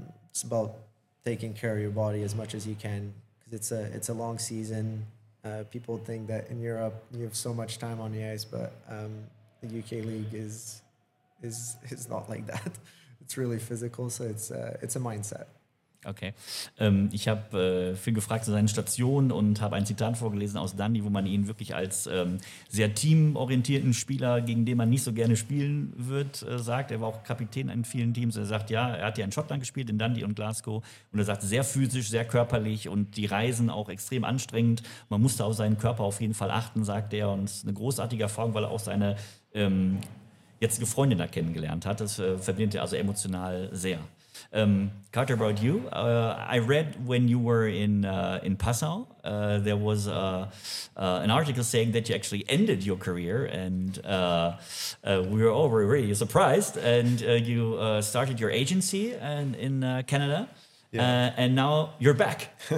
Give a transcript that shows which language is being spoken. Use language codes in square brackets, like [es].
[en] It's about taking care of your body as much as you can, because it's a long season. People think that in Europe you have so much time on the ice, but the UK league is not like that. It's really physical, so it's a mindset. Okay. [de] Ich habe viel gefragt zu seinen Stationen und habe ein Zitat vorgelesen aus Dundee, wo man ihn wirklich als sehr teamorientierten Spieler, gegen den man nicht so gerne spielen wird, sagt. Er war auch Kapitän in vielen Teams. Er sagt, ja, er hat ja in Schottland gespielt, in Dundee und Glasgow. Und er sagt, sehr physisch, sehr körperlich und die Reisen auch extrem anstrengend. Man musste auf seinen Körper auf jeden Fall achten, sagt er. Und es ist eine großartige Erfahrung, weil er auch seine jetzt eine Freundin da kennengelernt hat. Das verbindet er also emotional sehr. Carter, [en] about you. I read when you were in Passau, there was an article saying that you actually ended your career, and we were all really surprised. And you started your agency and in Canada, and now you're back.